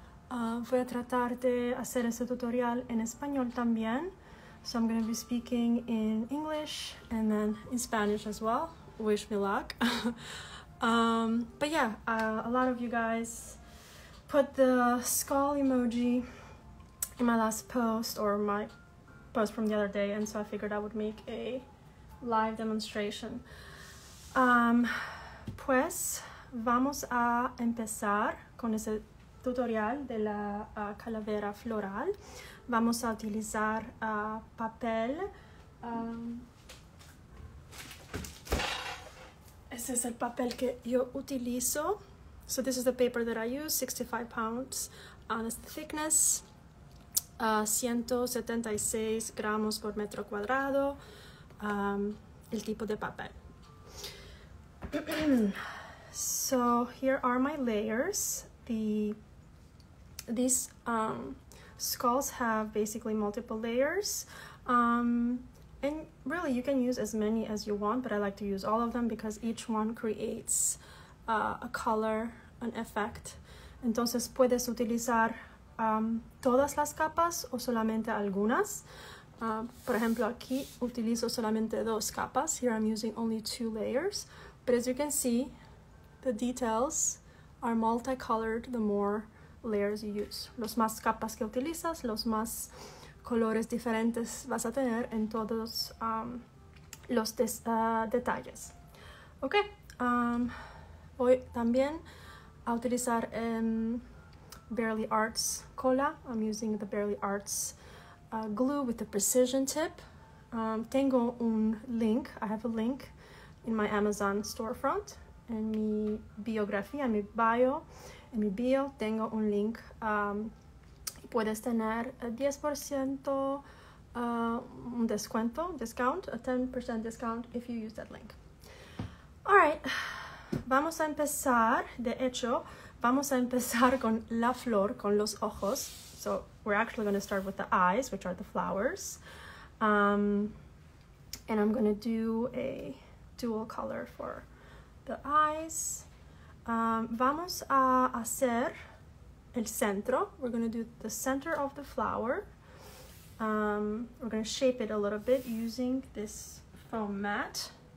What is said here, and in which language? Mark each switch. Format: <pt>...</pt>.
<es>Voy a tratar de hacer ese tutorial en español también.</es> <en>So I'm gonna be speaking in English and then in Spanish as well. Wish me luck. a lot of you guys put the skull emoji in my last post or my post from the other day, and so I figured I would make a live demonstration.</en> <es>Pues vamos a empezar con ese tutorial de la calavera floral. Vamos a utilizar papel. Este es el papel que yo utilizo.</es> <en>So this is the paper that I use, 65 pounds, and it's the thickness,</en> <es>176 gramos por metro cuadrado, el tipo de papel.</es> <en>So here are my layers. These skulls have basically multiple layers. And really you can use as many as you want, but I like to use all of them because each one creates a color, an effect.</en> <es>Entonces puedes utilizar todas las capas o solamente algunas. Por ejemplo, aquí utilizo solamente dos capas.</es> <en>Here I'm using only two layers. But as you can see, the details are multicolored the more layers you use.</en> <es>Los más capas que utilizas, los más colores diferentes vas a tener en todos los detalles. Okay. Voy también a utilizar Barely Arts cola.</es> <en>I'm using the Barely Arts glue with the precision tip.</en> <es>Tengo un link.</es> <en>I have a link in my Amazon storefront.</en> <es>En mi biografía, en mi bio, en mi bio, tengo un link. Puedes tener 10% un descuento,</es> <en>discount, a 10% discount if you use that link. All right.</en> <es>Vamos a empezar, de hecho, vamos a empezar con la flor, con los ojos.</es> <en>So, we're actually going to start with the eyes, which are the flowers. And I'm going to do a dual color for the eyes.</en> <es>Vamos a hacer el centro.</es> <en>We're going to do the center of the flower. We're going to shape it a little bit using this foam mat.</en>